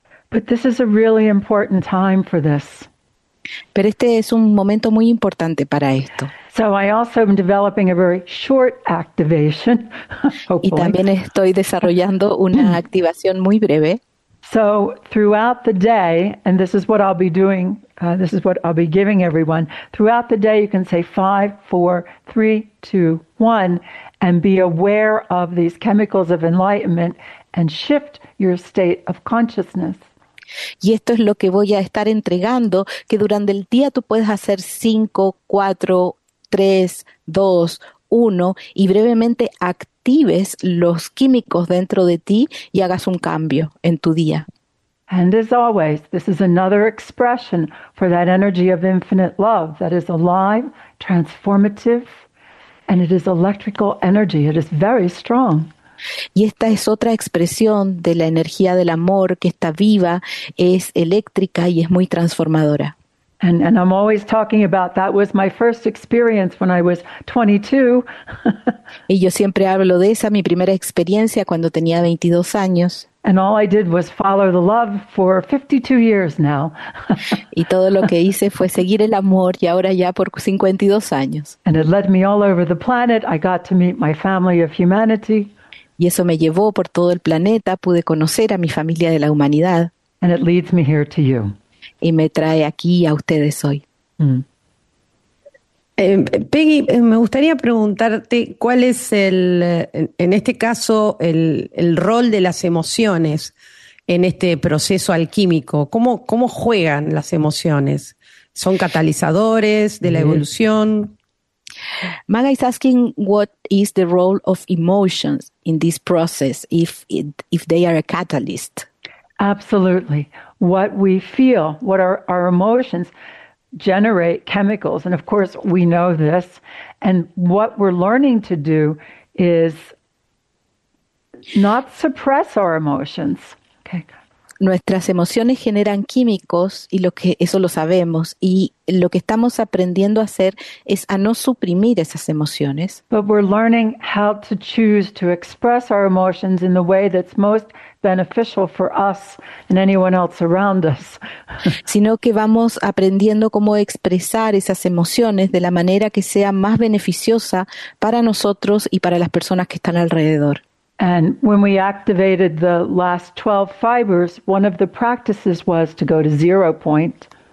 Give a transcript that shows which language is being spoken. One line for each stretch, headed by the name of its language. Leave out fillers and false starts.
English: But this is a really important time for this.
Spanish: Pero este es un momento muy importante para esto.
English: So I also am developing a very short activation.
Spanish: Y también estoy desarrollando una activación muy breve.
English: So throughout the day, and this is what I'll be doing, this is what I'll be giving everyone, throughout the day you can say 5, 4, 3, 2, 1 and be aware of these chemicals of enlightenment and shift your state of consciousness.
Spanish: Y esto es lo que voy a estar entregando, que durante el día tú puedes hacer 5, 4, 3, 2, 1 y brevemente actives los químicos dentro de ti y hagas un cambio en tu día.
English: And as always, this is another expression for that energy of infinite love that is alive, transformative, and it is electrical energy. It is very strong.
Spanish: Y esta es otra expresión de la energía del amor que está viva, es eléctrica y es muy transformadora.
English: And I'm always talking about that was my first experience when I was 22.
Spanish: Y yo siempre hablo de esa, mi primera experiencia cuando tenía 22 años.
English: And all I did was follow the love for 52 years now.
Spanish: Y todo lo que hice fue seguir el amor y ahora ya por 52 años.
English: And it led me all over the planet. I got to meet my family of humanity.
Spanish: Y eso me llevó por todo el planeta, pude conocer a mi familia de la humanidad.
English: And it leads me here to you.
Spanish: Y me trae aquí a ustedes hoy. Peggy, me gustaría preguntarte cuál es el rol de las emociones en este proceso alquímico. ¿Cómo juegan las emociones? ¿Son catalizadores de la evolución?
English: Maga is asking what is the role of emotions in this process, if they are a catalyst. Absolutely. What we feel, what our emotions generate chemicals, and of course we know this, and what we're learning to do is not suppress our emotions. Okay.
Spanish: Nuestras emociones generan químicos, y lo que eso lo sabemos, y lo que estamos aprendiendo a hacer es a no suprimir esas emociones.
English: But we're learning how to choose to express our emotions in the way that's most beneficial for us and anyone else around us.
Spanish: Sino que vamos aprendiendo cómo expresar esas emociones de la manera que sea más beneficiosa para nosotros y para las personas que están alrededor.
English: And when we activated the last 12 fibers, one of the practices was to go to zero point.